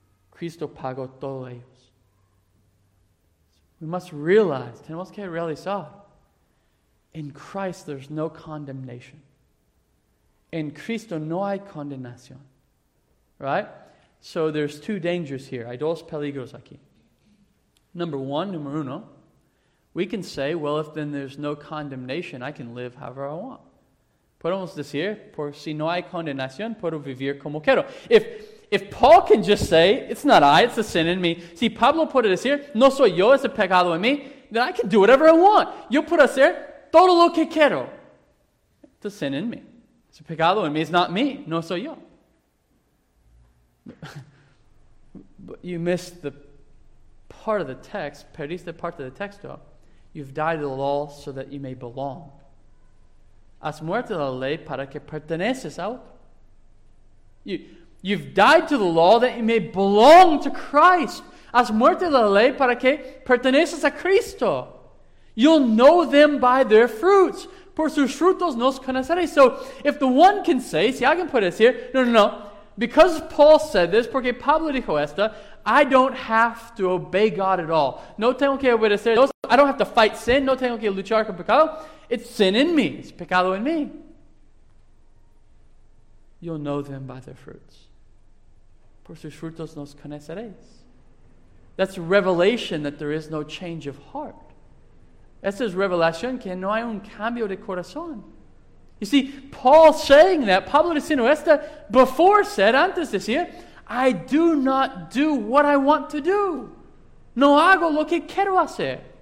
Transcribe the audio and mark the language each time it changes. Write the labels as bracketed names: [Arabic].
[Spanish] Cristo pagó todos ellos. [English] So we must realize, [Spanish] tenemos que realizar, [English] in Christ there's no condemnation. [Spanish] In Cristo no hay condenación. [English] Right? So there's two dangers here. [Spanish] Hay dos peligros aquí. [English] Number one, [Spanish] número uno, [English] we can say, well, if then there's no condemnation, I can live however I want. [Spanish] Podemos decir, por si no hay condenación, puedo vivir como quiero. [English] If Paul can just say, it's not I, it's a sin in me. [Spanish] Si Pablo puede decir, no soy yo, es el pecado en mí, [English] then I can do whatever I want. [Spanish] Yo puedo hacer todo lo que quiero. [English] It's a sin in me. It's a pecado in me. It's not me. [Spanish] No soy yo. [English] But you missed the part of the text. [Spanish] Perdiste parte del texto. [English] You've died to the law so that you may belong. [Spanish] Has muerto la ley para que perteneces a otro. [English] You've died to the law that you may belong to Christ. [Spanish] Has muerto la ley para que perteneces a Cristo. [English] You'll know them by their fruits. [Spanish] Por sus frutos nos conoceréis. [English] So if the one can say, [Spanish] si alguien puede decir, [English] no, because Paul said this, [Spanish] porque Pablo dijo esto, [English] I don't have to obey God at all. [Spanish] No tengo que obedecer. [English] I don't have to fight sin. [Spanish] No tengo que luchar con pecado. [English] It's sin in me. It's pecado in me. You'll know them by their fruits. [Spanish] Por sus frutos nos conoceréis. [English] That's revelation that there is no change of heart. [Spanish] Esa es revelación que no hay un cambio de corazón. [English] You see, Paul saying that, [Spanish] Pablo diciendo esta, [English] before said, [Spanish] antes decía, I do not do what I want to do. No hago lo que quiero hacer.